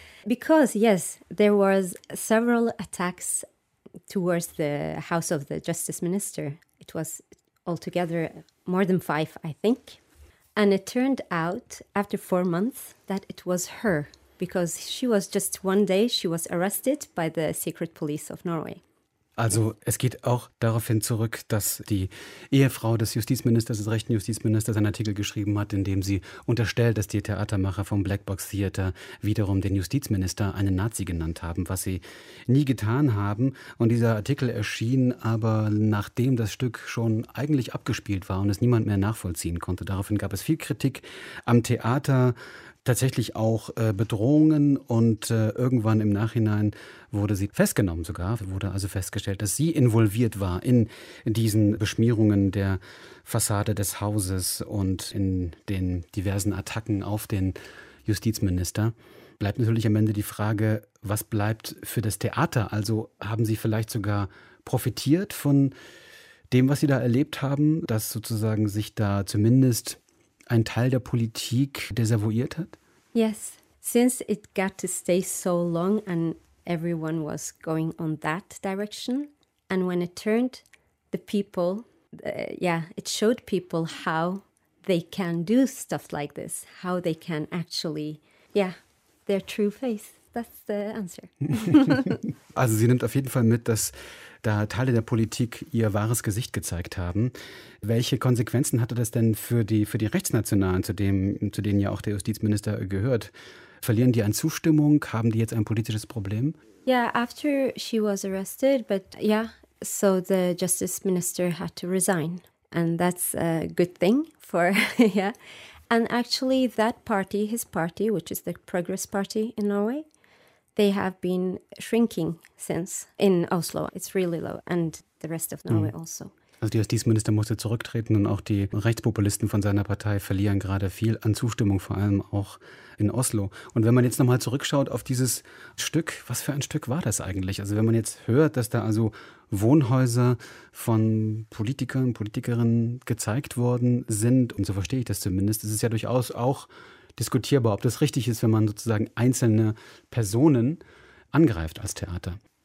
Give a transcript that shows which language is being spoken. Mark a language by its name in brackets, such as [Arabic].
[English] Because, yes, there was several attacks towards the House of the Justice Minister. It was altogether more than five, I think. And it turned out, after 4 months, that it was her. Because she was just one day, she was arrested by the secret police of Norway. [German] Also es geht auch darauf hin zurück, dass die Ehefrau des Justizministers, des rechten Justizministers, einen Artikel geschrieben hat, in dem sie unterstellt, dass die Theatermacher vom Blackbox Theater wiederum den Justizminister einen Nazi genannt haben, was sie nie getan haben. Und dieser Artikel erschien aber, nachdem das Stück schon eigentlich abgespielt war und es niemand mehr nachvollziehen konnte. Daraufhin gab es viel Kritik am Theater. Tatsächlich auch Bedrohungen und irgendwann im Nachhinein wurde sie festgenommen sogar, wurde also festgestellt, dass sie involviert war in diesen Beschmierungen der Fassade des Hauses und in den diversen Attacken auf den Justizminister. Bleibt natürlich am Ende die Frage, was bleibt für das Theater? Also haben sie vielleicht sogar profitiert von dem, was sie da erlebt haben, dass sozusagen sich da zumindest ein Teil der Politik desavouiert hat? [English] Yes, since it got to stay so long and everyone was going on that direction. And when it turned, the people, it showed people how they can do stuff like this, how they can actually, their true face. That's the answer. [German] Also sie nimmt auf jeden Fall mit, dass da Teile der Politik ihr wahres Gesicht gezeigt haben. Welche Konsequenzen hatte das denn für die Rechtsnationalen, zu denen ja auch der Justizminister gehört? Verlieren die an Zustimmung? Haben die jetzt ein politisches Problem? [English] Yeah, after she was arrested, but yeah, so the justice minister had to resign. And that's a good thing for, yeah. And actually that party, his party, which is the Progress Party in Norway, they have been shrinking since in Oslo. It's really low. And the rest of Norway also. [German] Also der Justizminister musste zurücktreten und auch die Rechtspopulisten von seiner Partei verlieren gerade viel an Zustimmung, vor allem auch in Oslo. Und wenn man jetzt nochmal zurückschaut auf dieses Stück, was für ein Stück war das eigentlich? Also wenn man jetzt hört, dass da also Wohnhäuser von Politikern und Politikerinnen gezeigt worden sind, und so verstehe ich das zumindest, das ist ja durchaus auch diskutierbar, ob das richtig ist, wenn man sozusagen einzelne Personen angreift als Theater.